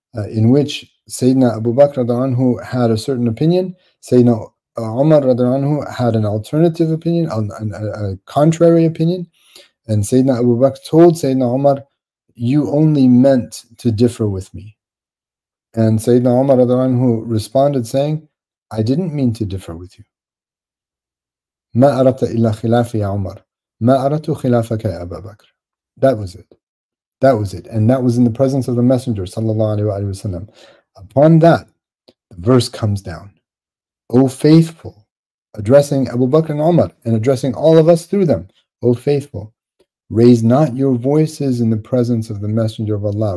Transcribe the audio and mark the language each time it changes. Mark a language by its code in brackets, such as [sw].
[en] in which Sayyidina Abu Bakr radiallahu anhu had a certain opinion, Sayyidina Umar radiallahu anhu had an alternative opinion, a contrary opinion, and Sayyidina Abu Bakr told Sayyidina Umar, you only meant to differ with me. And Sayyidina Umar radiallahu anhu responded saying, I didn't mean to differ with you. [ar] ما أردت إلا خلافي يا عمر ما أردت خلافك يا أبا بكر. [en] That was it. That was it. And that was in the presence of the Messenger, sallallahu alayhi wa sallam. Upon that, the verse comes down. O faithful, addressing Abu Bakr and Umar, and addressing all of us through them. O faithful, raise not your voices in the presence of the Messenger of Allah.